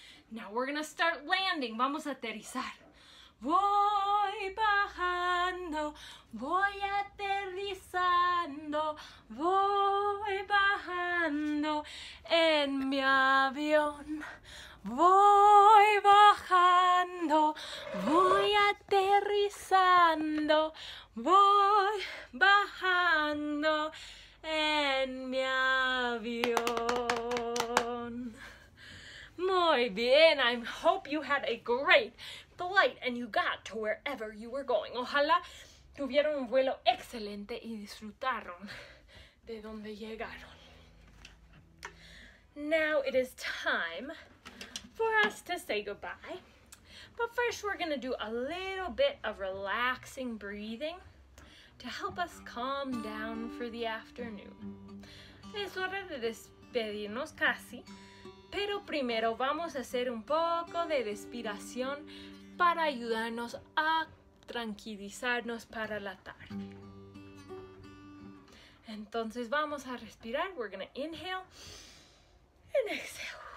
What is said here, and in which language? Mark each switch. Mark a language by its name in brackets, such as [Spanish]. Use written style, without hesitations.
[English] Now we're gonna start landing, [Spanish] vamos a aterrizar. Voy bajando, voy aterrizando, voy bajando en mi avión. Voy bajando, voy aterrizando, voy bajando en mi avión. Muy bien, [English] I hope you had a great flight and you got to wherever you were going. [Spanish] Ojalá tuvieron un vuelo excelente y disfrutaron de donde llegaron. [English] Now it is time for us to say goodbye. But first we're going to do a little bit of relaxing breathing to help us calm down for the afternoon. [Spanish] Es hora de despedirnos casi, pero primero vamos a hacer un poco de respiración para ayudarnos a tranquilizarnos para la tarde. Entonces vamos a respirar. [English] We're going to inhale and exhale.